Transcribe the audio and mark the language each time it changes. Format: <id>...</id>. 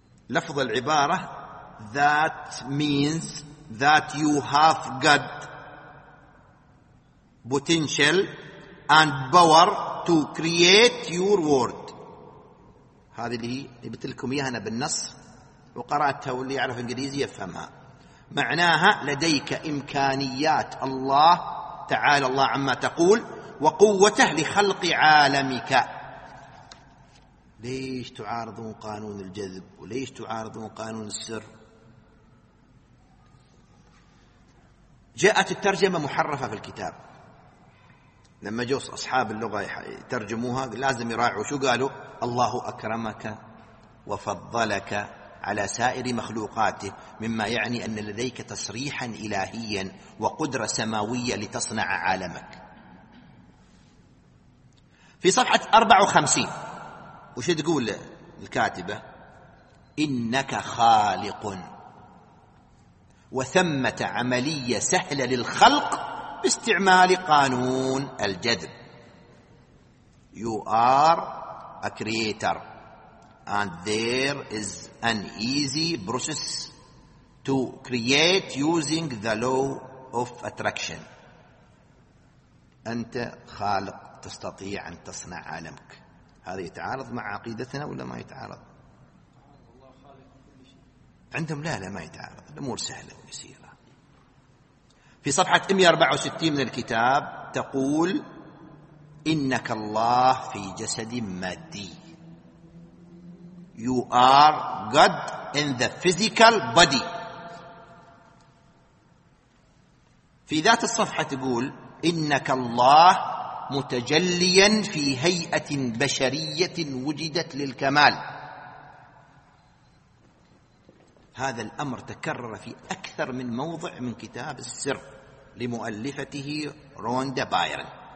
<ar>لفظ العبارة</ar> <en>that means that you have got potential and power to create your world.</en> <ar>هذه اللي قلت لكم إياها أنا بالنص وقرأتها، واللي يعرف إنجليزي يفهمها. معناها لديك إمكانيات الله تعالى الله عما تقول وقوته لخلق عالمك. ليش تعارضون قانون الجذب وليش تعارضون قانون السر؟ جاءت الترجمة محرفة في الكتاب، لما جوا أصحاب اللغة ترجموها لازم يراعوا شو قالوا. الله أكرمك وفضلك على سائر مخلوقاته، مما يعني أن لديك تصريحا إلهيا وقدرة سماوية لتصنع عالمك. في صفحة 54 وش تقول الكاتبة؟ إنك خالق، وثمة عملية سهلة للخلق باستعمال قانون الجذب.</ar> <en>You are a creator and there is an easy process to create using the law of attraction.</en> <ar>أنت خالق تستطيع أن تصنع عالمك. هذا يتعارض مع عقيدتنا ولا ما يتعارض؟ عندهم لا ما يتعارض، الأمور سهلة ويسيرة. في صفحة 164 من الكتاب تقول إنك الله في جسد مادي.</ar> <en>You are God in the physical body.</en> <ar>في ذات الصفحة تقول إنك الله متجليا في هيئة بشرية وجدت للكمال. هذا الأمر تكرر في أكثر من موضع من كتاب السر لمؤلفته روندا بايرن.</ar>